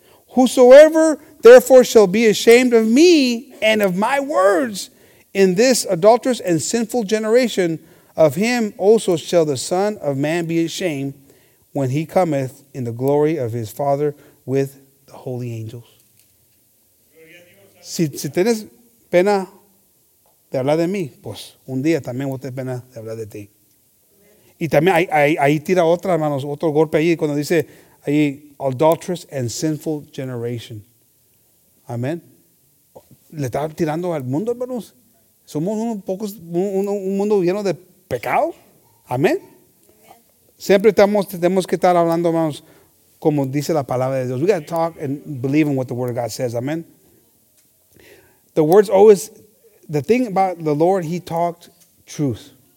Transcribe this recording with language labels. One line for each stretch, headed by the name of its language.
English: Whosoever therefore shall be ashamed of me and of my words in this adulterous and sinful generation, of him also shall the Son of Man be ashamed when he cometh in the glory of his Father with the holy angels.
Spanish: Si tienes pena de hablar de mí, pues un día también voy a tener pena de hablar de ti. Y también ahí tira otra, hermanos, otro golpe ahí cuando dice ahí,
English: adulterous and sinful generation.
Spanish: Amén. Le está tirando al mundo, hermanos. Somos un mundo lleno de pecado. Amén. Siempre tenemos que estar hablando, hermanos, como dice la palabra de Dios.
English: We got to talk and believe in what the Word of God says. Amén. The words always, the thing about the Lord, he talked truth.